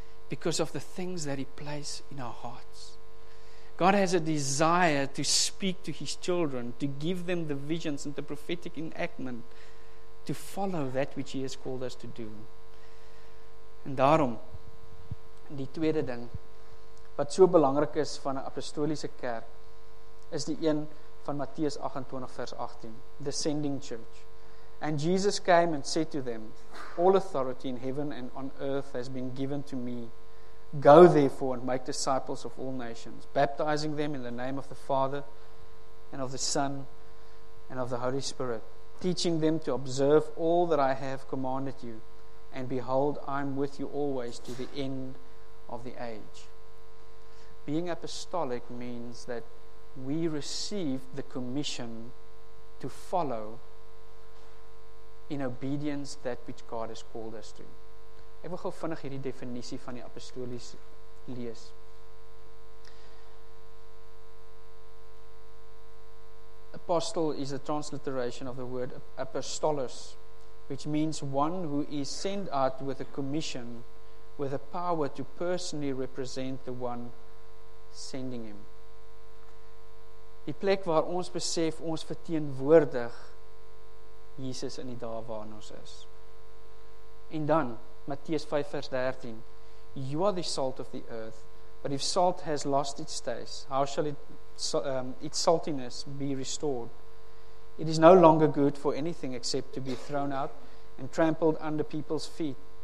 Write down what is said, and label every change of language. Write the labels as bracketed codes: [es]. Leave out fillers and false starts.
[en] Because of the things that he places in our hearts. God has a desire to speak to his children, to give them the visions and the prophetic enactment to follow that which he has called us to do. [af] En daarom, die tweede ding, wat so belangrik is van 'n apostoliese kerk, is die een van Matteus 28 vers 18, [en] the sending church. And Jesus came and said to them, all authority in heaven and on earth has been given to me. Go therefore and make disciples of all nations, baptizing them in the name of the Father and of the Son and of the Holy Spirit, teaching them to observe all that I have commanded you. And behold, I'm with you always to the end of the age. Being apostolic means that we receive the commission to follow in obedience that which God has called us to. [af] Ek wil gou vinnig hierdie definisie van die apostolies lees. [en] Apostle is a transliteration of the word apostolos, which means one who is sent out with a commission with a power to personally represent the one sending him. [af] Die plek waar ons besef ons verteenwoordig Jesus in die dae waarin ons is. En dan Matteus 5 vers 13, [en] you are the salt of the earth, but if salt has lost its taste, how shall it its saltiness be restored? It is no longer good for anything except to be thrown out and trampled under people's feet.